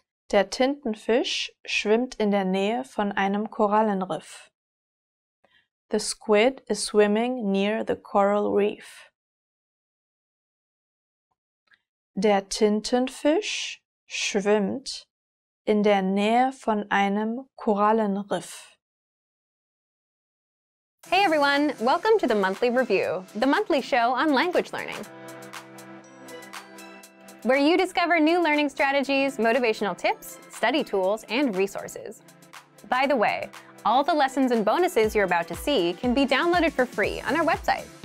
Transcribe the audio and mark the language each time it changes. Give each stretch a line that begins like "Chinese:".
German: Der Tintenfisch schwimmt in der Nähe von einem Korallenriff.
English: The squid is swimming near the coral reef.
German: Der Tintenfisch schwimmt in der Nähe von einem Korallenriff.
English: Hey everyone, welcome to the Monthly Review, the monthly show on language learning, where you discover new learning strategies, motivational tips, study tools, and resources. By the way, all the lessons and bonuses you're about to see can be downloaded for free on our website.